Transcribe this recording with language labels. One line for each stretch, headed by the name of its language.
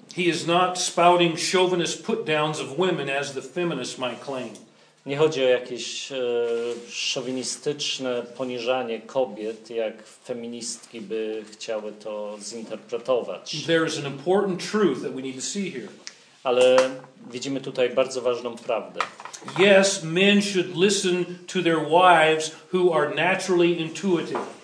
English: he is not spouting chauvinist put-downs of women as the feminists might claim.
Polish: Nie chodzi o jakieś szowinistyczne poniżanie kobiet, jak feministki by chciały to zinterpretować.
English: There is an important truth that we need to see here.
Polish: Ale widzimy tutaj bardzo ważną prawdę.
English: Yes, men should listen to their wives who are naturally intuitive.